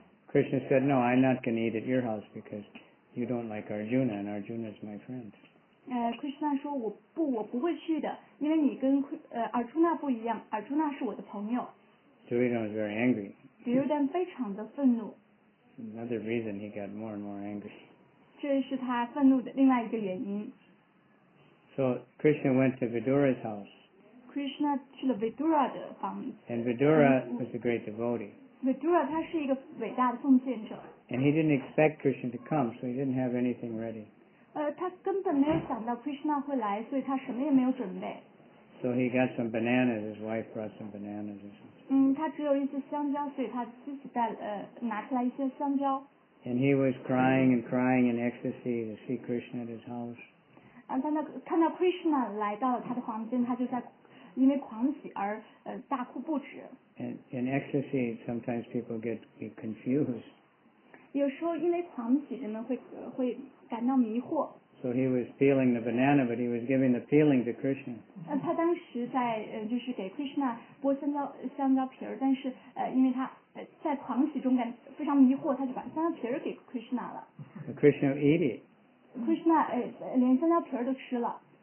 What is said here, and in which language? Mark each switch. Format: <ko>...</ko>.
<en>Krishna said, "No, I'm not going to eat at your house because you don't like Arjuna, and Arjuna is my friend."</en> <zh>Krishna 说我不会去的，因为你跟Arjuna 不一样 ，Arjuna 是我的朋友。</zh> <en>Duryodhana was very angry.</en> <zh>Duryodhana 非常的愤怒。</zh> <en>Another reason he got more and more angry.</en> <zh>这是他愤怒的另外一个原因。</zh> <en>So Krishna went to Vidura's house.</en> <zh>Krishna 去了 Vidura 的房子。</zh> <en>And Vidura was a great devotee.</en> <zh>Vidura 他是一个伟大的奉献者。</zh> <en>And he didn't expect Krishna to come, so he didn't have anything ready.</en> <zh>他根本没有想到 Krishna 会来，所以他什么也没有准备。</zh> <en>So he got some bananas. His wife brought some bananas.</en> <zh>他只有一些香蕉，所以他自己拿出来一些香蕉。</zh> <en>And he was crying and crying in ecstasy to see Krishna at his house.</en> <zh>看到 Krishna 来到他的房间，他就在因为狂喜而大哭不止。</zh> <en>In ecstasy, sometimes people get confused.</en> <zh>有时候因为狂喜，人们会感到迷惑。</zh> <en>So he was peeling the banana, but he was giving the peeling to Krishna.</en> <zh>他当时在就是给 Krishna 剥香蕉皮儿，但是因为他在狂喜中感非常迷惑，他就把香蕉皮儿给 Krishna 了。</zh> <en>Krishna ate it.</en> <zh>Krishna 连香蕉皮儿都吃了。</zh>